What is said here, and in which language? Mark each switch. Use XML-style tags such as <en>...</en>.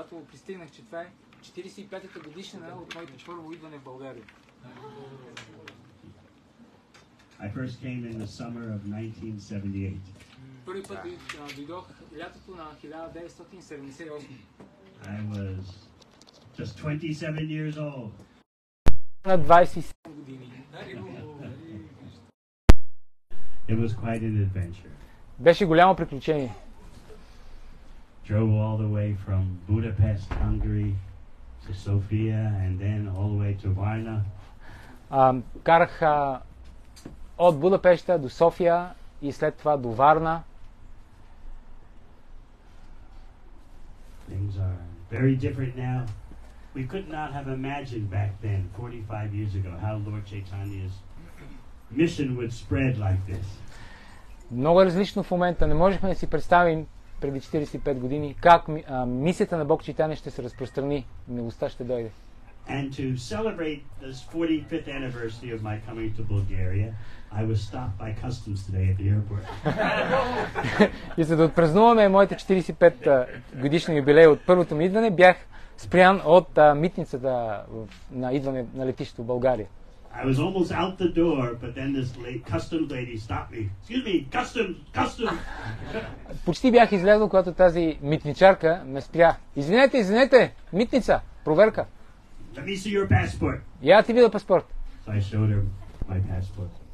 <bg>Пристигнах, че това е 45-та годишнина от моето първо идване в България.</bg> <en>I first came in the summer of 1978.</en> <bg>Първи път дойдох лятото на 1978.</bg> <en>I was just 27 years old.</en> <bg>На 27 години.</bg> <en>It was quite an adventure.</en> <bg>Беше голямо приключение.</bg> <en>Drove all the way from Budapest, Hungary to Sofia and then all the way to Varna.</en> <bg>Карах от Будапешта до София и след това до Варна.</bg> <en>Things are very different now. We could not have imagined back then, 45 years ago, how Lord Chaitanya's mission would spread like this.</en> <bg>Много различно в момента, не можехме да си представим преди 45 години, как мисията на Бог Чайтаня ще се разпространи, милостта ще дойде.</bg> <en>And to celebrate this 45th anniversary of my coming to Bulgaria, I was stopped by customs today at the airport.</en> <bg>И за да отпразнуваме моите 45 годишни юбилей от първото ми идване, бях спрян от митницата на идване на летището в България.</bg> <en>I was almost out the door, but then this customs lady stopped me. Excuse me, customs.</en> <bg>Почти бях излязъл, когато тази митничарка ме спря. Извинете, митница, проверка.</bg> <en>Let me see your passport.</en> <bg>Я ти видя паспорт.</bg> <en>So I showed her my passport.</en>